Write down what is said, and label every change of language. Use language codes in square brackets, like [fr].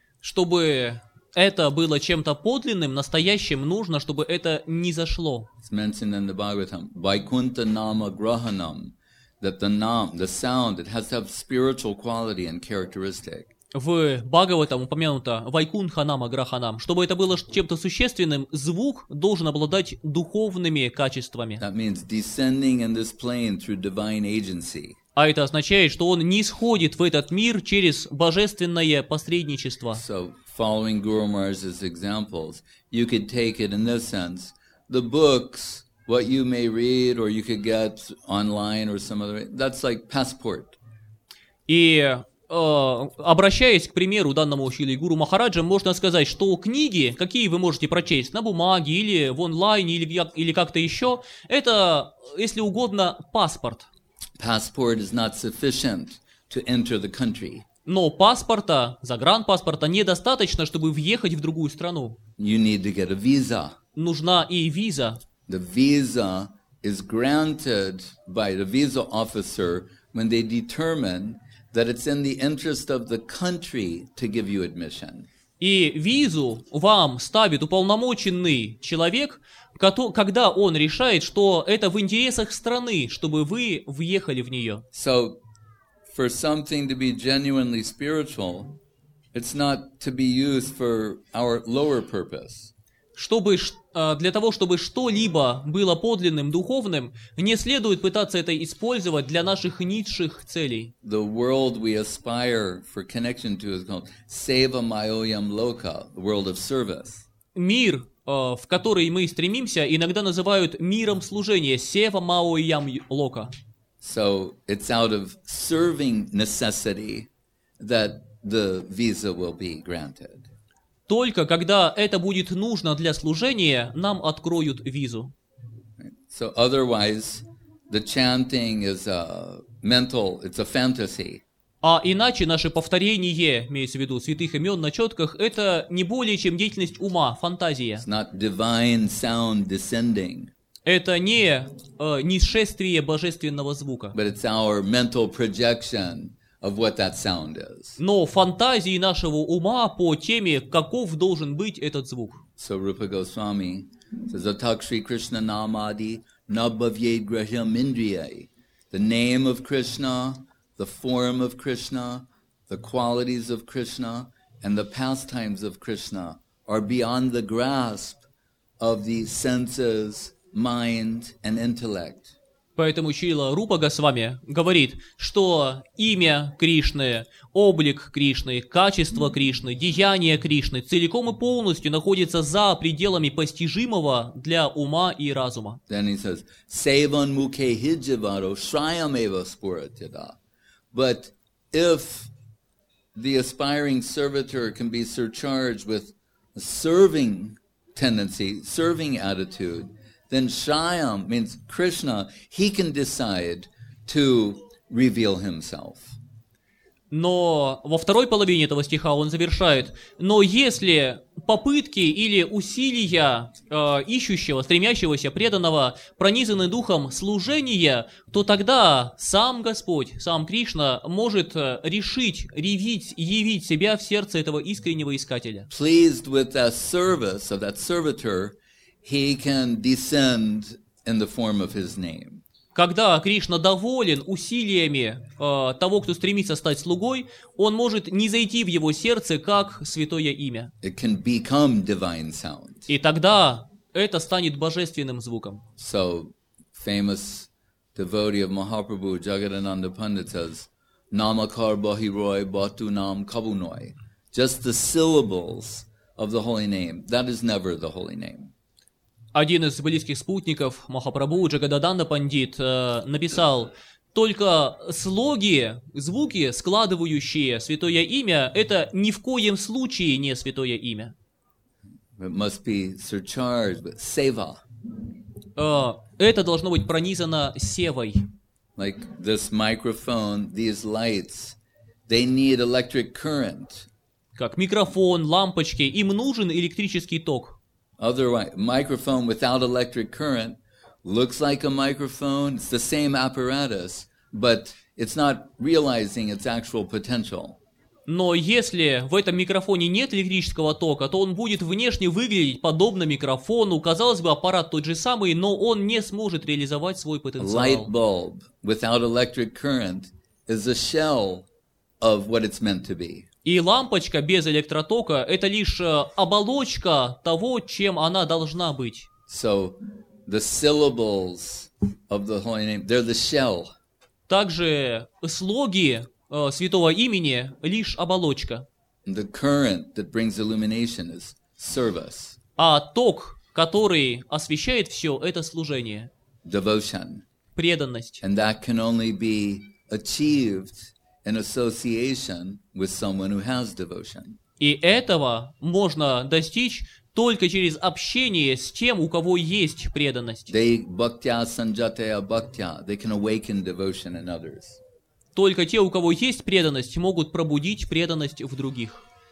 [ru] Чтобы это было чем-то подлинным, настоящим, нужно, чтобы это не зашло. [en] It's mentioned in the Bhagavatam, [sa] Vaikuntha Nama Grahanam. [en] That the nam, the sound, it has to have spiritual quality and characteristic. [ru] В Бхагаватам упомянуто [sa] Вайкунха нама граханам. [ru] Чтобы это было чем-то существенным, звук должен обладать духовными качествами. [en] That means descending in this plane through divine agency. [ru] А это означает, что он нисходит в этот мир через божественное посредничество. [en] So, following Guru Maharaj's examples, you could take it in this sense. The books, what you may read or you could get online or some other way, that's like passport. [ru] И обращаясь к примеру данному Шили Гуру Махараджа, можно сказать, что книги, какие вы можете прочесть на бумаге или в онлайне или как-то еще, это, если угодно, паспорт. [en] Passport is not sufficient to enter the country. [ru] Но паспорта, загранпаспорта, недостаточно, чтобы въехать в другую страну. [en] You need to get a visa. [ru] Нужна и виза. [en] The visa is granted by the visa officer when they determine that it's in the interest of the country to give you admission. [ru] И визу вам ставит уполномоченный человек, когда он решает, что это в интересах страны, чтобы вы въехали в нее. [en] So, for something to be genuinely spiritual, it's not to be used for our lower purpose. [ru] Чтобы для того, чтобы что-либо было подлинным, духовным, не следует пытаться это использовать для наших низших целей. [en] The world we aspire for connection to is called [sa] Seva Mayoyam Loka, [en] the world of service. [ru] Мир, в который мы стремимся, иногда называют миром служения, [sa] Seva Mayoyam Loka. [en] So it's out of serving necessity that the visa will be granted. [ru] Только когда это будет нужно для служения, нам откроют визу. [en] So otherwise, the chanting is a mental, it's a fantasy. [ru] А иначе наше повторение, имеется в виду святых имен на четках, это не более чем деятельность ума, фантазия. [en] It's not divine sound descending. [ru] Это не нисшествие божественного звука. [en] But it's our mental projection of what that sound is. [ru] Но фантазии нашего ума по теме, каков должен быть этот звук. [en] So Rupa Goswami says, [sa] Atak Shri Krishna Namadi Nabhavye Graham Indriyai. [en] The name of Krishna, the form of Krishna, the qualities of Krishna, and the pastimes of Krishna are beyond the grasp of the senses, mind, and intellect. [ru] Поэтому Шрила Рупа Госвами говорит, что имя Кришны, облик Кришны, качество Кришны, деяния Кришны целиком и полностью находятся за пределами постижимого для ума и разума. [en] Then he says, [sa] Sevan mukhe hijivaro shrayam eva spuratyada. [en] But if the aspiring servitor can be surcharged with a serving tendency, serving attitude, then Shyam means Krishna, he can decide to reveal himself. [ru] Но во второй половине этого стиха он завершает, но если попытки или усилия ищущего, стремящегося, преданного, пронизаны духом служения, то тогда сам Господь, сам Кришна может решить, явить, явить себя в сердце этого искреннего искателя. [en] Pleased with the service of that servitor, he can descend in the form of his name. [ru] Когда Кришна доволен усилиями того, кто стремится стать слугой, он может не зайти в его сердце как святое имя. [en] It can become divine sound. [ru] И тогда это станет божественным звуком. [en] So, famous devotee of Mahaprabhu, Jagadananda Pandit says, [bn] Namakar Bahiroi Batu Nam Kabunoi. [en] Just the syllables of the holy name. That is never the holy name. [ru] Один из близких спутников Махапрабху, Джагадананда Пандит, написал, только слоги, звуки, складывающие святое имя, это ни в коем случае не святое имя. [en] It must be surcharged with seva. [ru] Это должно быть пронизано севой. [en] Like this microphone, these lights, they need electric current. [ru] Как микрофон, лампочки, им нужен электрический ток. [en] Otherwise, microphone without electric current looks like a microphone. It's the same apparatus, but it's not realizing its actual potential. [ru] Но если в этом микрофоне нет электрического тока, то он будет внешне выглядеть подобно микрофону. Казалось бы, аппарат тот же самый, но он не сможет реализовать свой потенциал. [en] Light bulb without electric current is a shell of what it's meant to be. [ru] И лампочка без электротока – это лишь оболочка того, чем она должна быть. [en] So, the syllables of the holy name, they're the shell. [ru] Также слоги святого имени – лишь оболочка. [en] The current that brings illumination is service. [ru] А ток, который освещает все, это служение. [en] Devotion. [ru] Преданность. [en] And that can only be achieved an association with someone who has devotion. [ru] И этого можно достичь только через общение с тем, у кого есть преданность. [en] They [sa] bhaktya sanjataya bhaktya, [en] they can awaken devotion in others. [ru] Только те, у кого есть преданность, могут пробудить преданность в других.